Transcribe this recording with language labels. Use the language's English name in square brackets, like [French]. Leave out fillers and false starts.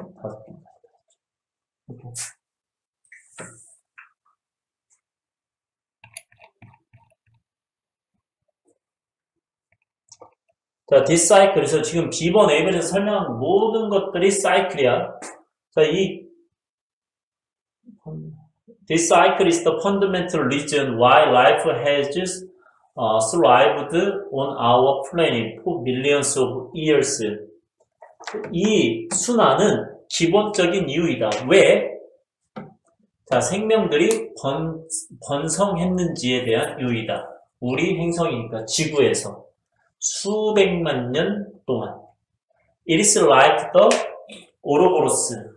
[Korean] 다섯 번째. [English] 자, this cycle. [Korean] 그래서 지금 B번 A번에서 설명한 모든 것들이 사이클이야. [English] 자, 이 this cycle is the fundamental reason why life has thrived on our planet for millions of years. [Korean] 이 순환은 기본적인 이유이다. 왜? 자, 생명들이 번성했는지에 대한 이유이다. 우리 행성이니까 지구에서. 수백만 년 동안. [English] It is like the Ouroboros.